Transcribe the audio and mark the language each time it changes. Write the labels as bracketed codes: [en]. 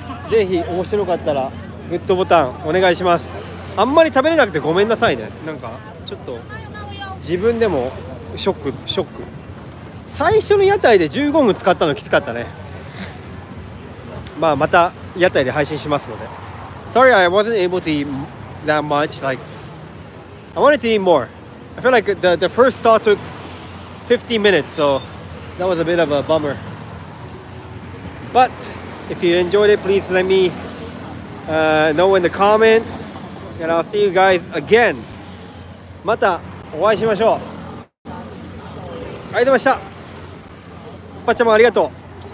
[ja] ぜひ面白かったらグッドボタンお願いします。あんまり食べれなくてごめんなさいね。なんかちょっと自分でもショック。最初の屋台で15分使ったのきつかったね。まあまた屋台で配信しますので。 [en] Sorry I wasn't able to eat that much. Like I wanted to eat more. I feel like the first thought took 50 minutes, so that was a bit of a bummer. ButIf you enjoyed it, please let me know in the comments. And I'll see you guys again. [ja] またお会いしましょう。ありがとうございました。スパチャマンありがとう。